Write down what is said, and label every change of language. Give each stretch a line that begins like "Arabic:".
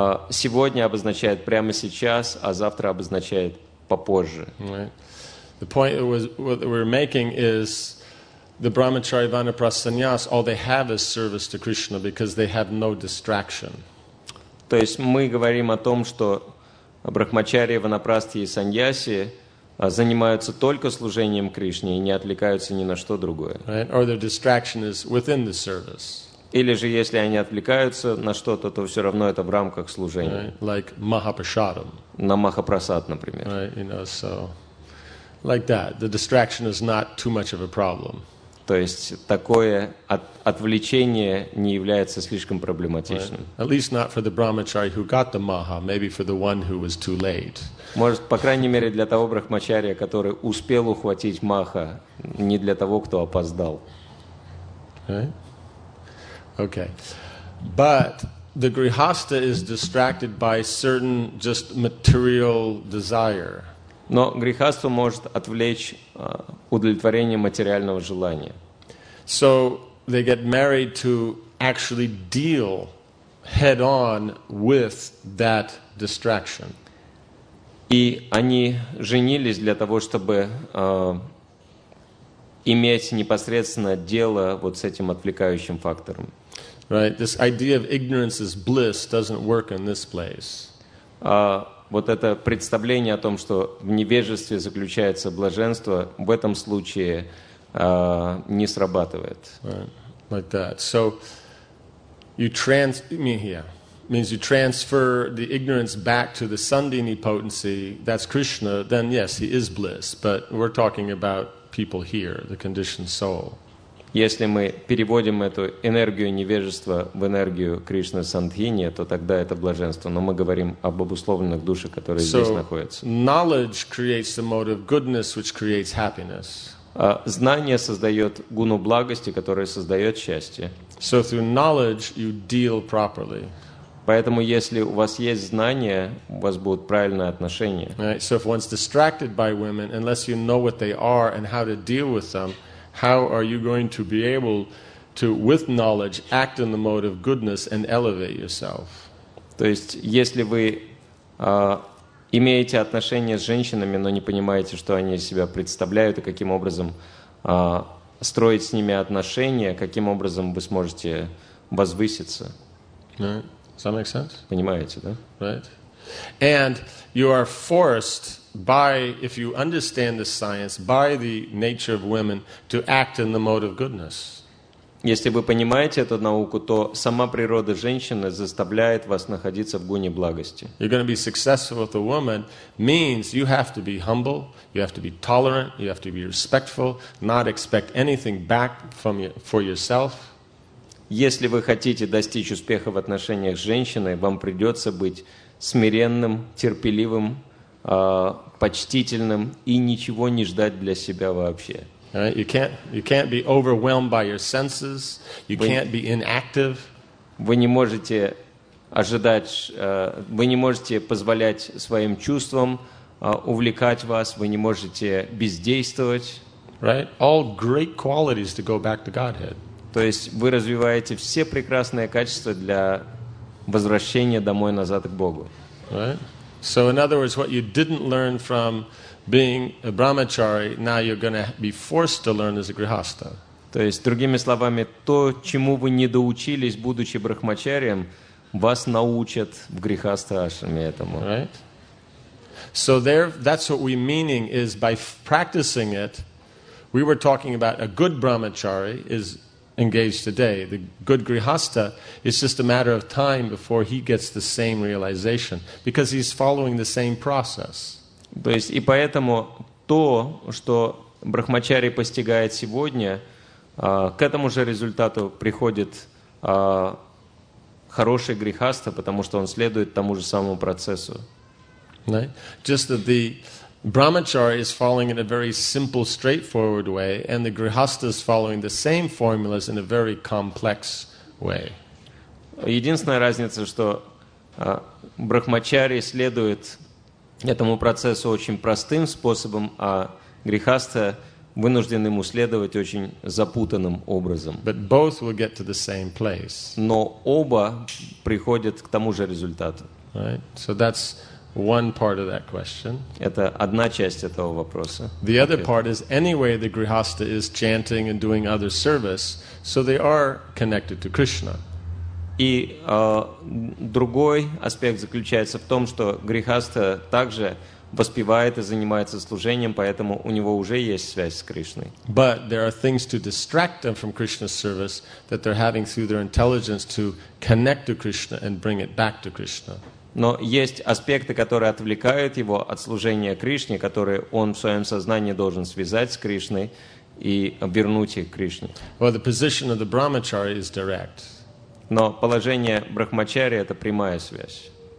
Russian: Сегодня обозначает прямо сейчас, а завтра обозначает попозже.
English: The point that was, what we're making is the brahmachari vanaprastha sannyas, all they have is service to Krishna because they have no distraction.
Russian: То есть мы говорим о том, что брахмачари, ванапрасти и саньяси занимаются только служением Кришне и не отвлекаются ни на что другое.
English: Right? Or their distraction is within the service.
Russian: Или же, если они отвлекаются на что-то, то все равно это в рамках служения.
English: Right? Like Mahaprasadam.
Russian: На Махапрасад, например.
English: Right? You know, so like that. The distraction is not too much of a problem.
Russian: То есть такое отвлечение не является слишком проблематичным.
English: Right? At least not for the brahmachari who got the maha, maybe for the one who was too late.
Russian: Может, по крайней мере, для того брахмачария, который успел ухватить маха, не для того, кто опоздал.
English: Right? Okay. But the grihastha is distracted by certain just material desire.
Russian: Но грихастху может отвлечь удовлетворение материального желания.
English: So they get married to actually deal head on with that distraction.
Russian: И они женились для того, чтобы иметь непосредственно дело вот с этим отвлекающим фактором.
English: Right, this idea of ignorance is bliss doesn't work in this place.
Russian: Вот это представление о том, что в невежестве заключается блаженство, в этом случае не срабатывает.
English: Right. Like that. So you trans... I mean, yeah. means you transfer the ignorance back to the Sandini potency, that's Krishna, then yes, he is bliss. But we're talking about people here, the conditioned soul.
Russian: Если мы переводим эту энергию невежества в энергию Кришны Сандхини, то тогда это блаженство. Но мы говорим об обусловленных душах, которые здесь находятся.
English: Knowledge creates the mode of goodness, which creates happiness.
Russian: Знание создает гуну благости, которая создает счастье.
English: So through knowledge you deal properly.
Russian: Поэтому, если у вас есть знания, у вас будут правильные отношения.
English: Right. So if one's distracted by women, unless you know what they are and how to deal with them, how are you going to be able to, with knowledge, act in the mode of goodness and elevate yourself?
Russian: То есть, если вы имеете отношения с женщинами, но не понимаете, что они из себя представляют и каким образом строить с ними отношения, каким образом вы сможете возвыситься?
English: Right. Does that make sense?
Russian: Понимаете, да?
English: Right. And you are forced by, if you understand this science, by the nature of women, to act in the mode of goodness.
Russian: Если вы понимаете эту науку, то сама природа женщины заставляет вас находиться в гуне благости.
English: You're going to be successful with a woman means you have to be humble, you have to be tolerant, you have to be respectful, not expect anything back from you, for yourself.
Russian: Если вы хотите достичь успеха в отношениях с женщиной, вам придется быть смиренным, терпеливым, почтительным и ничего не ждать для себя вообще.
English: Right? You can't be overwhelmed by your senses. You can't be inactive.
Russian: Вы не можете ожидать, вы не можете позволять своим чувствам увлекать вас. Вы не можете бездействовать.
English: Right? All great qualities to go back to Godhead.
Russian: То есть вы развиваете все прекрасные качества для возвращения домой назад к Богу.
English: Right? So in other words, what you didn't learn from being a brahmachari, now you're going to be forced to learn as a grihastha.
Russian: То есть, другими словами, то, чему вы не доучились, будучи брахмачарием, вас научат в грихастхаашраме этому.
English: Right? So there, that's what we meaning is by practicing it, we were talking about a good brahmachari is engaged today. The good grihastha is just a matter of time before he gets the same realization because he's following the same process.
Russian: То есть, и поэтому то, что брахмачари постигает сегодня, к этому же результату приходит хороший грихастха, потому что он следует тому же самому процессу.
English: Right? Just that the brahmachari is following in a very simple, straightforward way, and the grihastha is following the same formulas in a very complex way.
Russian: Единственная разница, что брахмачари следует этому процессу очень простым способом, а грихастха вынужден ему следовать очень запутанным образом.
English: But both will get to the same place.
Russian: Но оба приходят к тому же результату.
English: Right. So that's one part of that question.
Russian: Это одна часть этого вопроса.
English: The other part is anyway the grihastha is chanting and doing other service, so they are connected to Krishna.
Russian: И другой аспект заключается в том, что грихастха также воспевает и занимается служением, поэтому у него уже есть связь с Кришной.
English: But there are things to distract them from Krishna's service that they're having through their intelligence to connect to Krishna and bring it back to Krishna.
Russian: Но есть аспекты, которые отвлекают его от служения Кришне, которые он в своем сознании должен связать с Кришной и вернуть их к Кришне.
English: Well, the position of the brahmachari is direct.
Russian: Но положение брахмачари — это прямая связь.